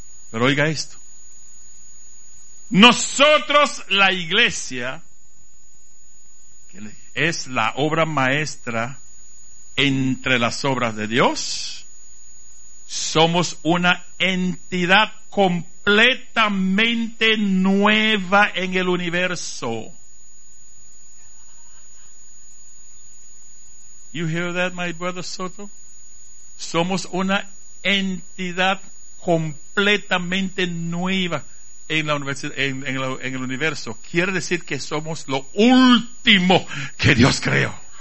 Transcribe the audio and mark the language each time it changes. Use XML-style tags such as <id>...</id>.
<es>Pero oiga esto. Nosotros, la iglesia, que es la obra maestra entre las obras de Dios, somos una entidad completamente nueva en el universo.</es> <en>You hear that, my brother Soto?</en> <es>Somos una entidad completamente nueva en el universo. Quiere decir que somos lo último que Dios creó.</es>